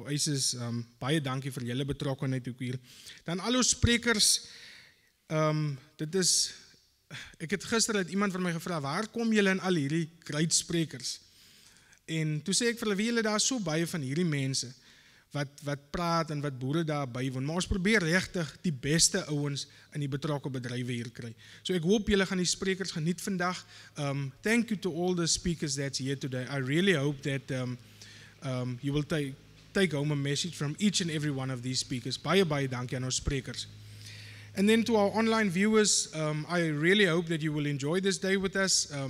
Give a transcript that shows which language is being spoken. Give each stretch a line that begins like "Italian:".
Afrikaans: Oasis, baie dankie vir julle betrokkenheid ook hier. Dan al ons sprekers, dit is... Ek het gister uit iemand van my gevra, waar kom julle in al hierdie great sprekers? En toe sê ek vir hulle, wie julle daar so baie van hierdie mense, wat praat en wat boere daar bywoon, maar ons probeer regtig die beste ouens in die betrokke bedrywe hier kry. So ek hoop julle gaan die sprekers geniet vandag.
English: Thank you to all the speakers that's here today. I really hope that you will take home a message from each and every one of these speakers.
Afrikaans: Baie, baie dankie aan ons sprekers.
English: And then to our online viewers, I really hope that you will enjoy this day with us.